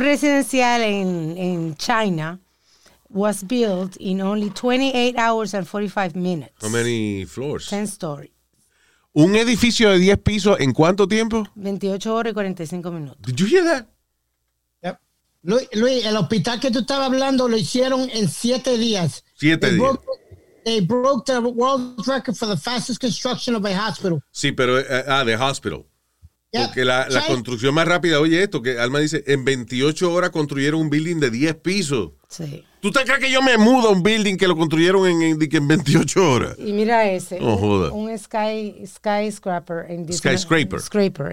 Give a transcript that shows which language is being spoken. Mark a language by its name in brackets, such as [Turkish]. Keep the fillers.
[Spanish] residencial en, en China, [English] was built in only 28 hours and 45 minutes. How many floors? 10 stories. [Spanish] Un edificio de 10 pisos en cuánto tiempo? 28 horas y 45 minutos. [English] Did you hear that? Yep. [Spanish] Luis, Luis, el hospital que tú estabas hablando lo hicieron en 7 días. 7 días. [English] Broke, they broke the world record for the fastest construction of a hospital. [Spanish] Sí, pero ah, [English] the hospital. Yeah. [Spanish] Porque la, la construcción más rápida, oye esto, que Alma dice, en 28 horas construyeron un building de 10 pisos. Sí. ¿Tú te crees que yo me mudo a un building que lo construyeron en, en, en 28 horas? Y mira ese. Oh, joda. Un sky, skyscraper, en 19, [English] skyscraper.